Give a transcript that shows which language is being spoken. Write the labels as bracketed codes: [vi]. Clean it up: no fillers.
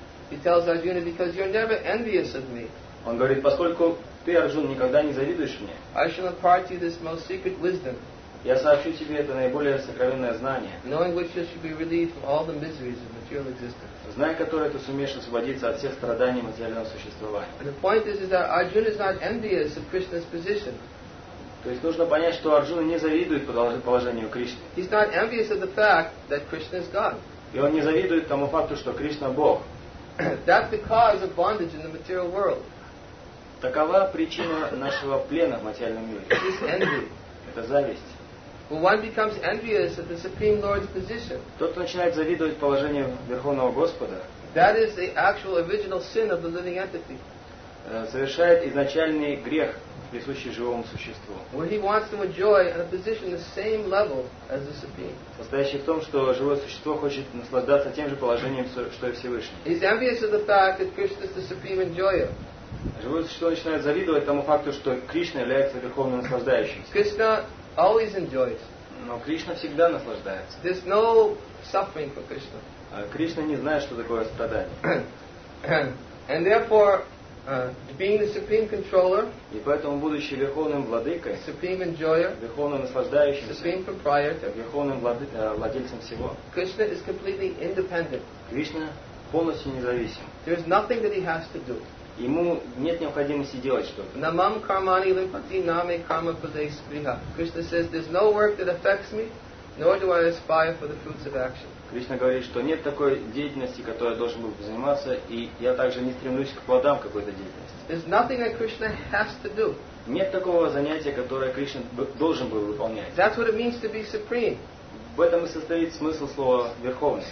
[en] He tells Arjuna, because you're never envious of me. [ru] Он говорит, поскольку ты, Арджун, никогда не завидуешь мне, [en] I shall impart you this most secret wisdom. [ru] Я сообщу тебе это наиболее сокровенное знание. [en] Knowing which you should be relieved from all the miseries of material existence. [ru] Зная которое, ты сумеешь освободиться от всех страданий материального существования. [en] And the point is that Arjuna is not envious of Krishna's position. [ru] То есть нужно понять, что Арджуна не завидует положению Кришны. [en] He's not envious of the fact that Krishna is God. [ru] И он не завидует тому факту, что Кришна Бог. [en] That's the cause of bondage in the material world. [ru] Такова причина нашего плена в материальном мире. [en] It's envy. [ru] Это зависть. [en] When one becomes envious of the Supreme Lord's position, [ru] тот, кто начинает завидовать положению Верховного Господа, [en] that is the actual original sin of the living entity. [ru] Совершает изначальный грех присущий живому существу. [en] Where he wants to enjoy a position the same level as the Supreme. [ru] Состоящий в том, что живое существо хочет наслаждаться тем же положением, что и Всевышний. [en] He's envious of the fact that Krishna is the supreme enjoyer. [ru] Живое существо начинает завидовать тому факту, что Кришна является верховным наслаждающимся. [en] Krishna always enjoys. [ru] Но Кришна всегда наслаждается. [en] There's no suffering for Krishna. [ru] Кришна не знает, что такое страдание. [en] And therefore, being the supreme controller, [ru] и поэтому, будучи верховным владыкой, [en] supreme enjoyer, [ru] верховным наслаждающимся, [en] supreme proprietor, [ru] верховным владельцем всего, [en] Krishna is completely independent. [ru] Кришна полностью независим. [en] There is nothing that he has to do. [ru] Ему нет необходимости делать что-то. [sa] Namam karmani limpati name karma pade spriha. [en] Krishna says, there's no work that affects me, nor do I aspire for the fruits of action. [ru] Кришна говорит, что нет такой деятельности, которой я должен был бы заниматься, и я также не стремлюсь к плодам какой-то деятельности. [en] There's nothing that Krishna has to do. [ru] Нет такого занятия, которое Кришна должен был выполнять. [en] That's what it means to be supreme. [ru] В этом и состоит смысл слова «верховный».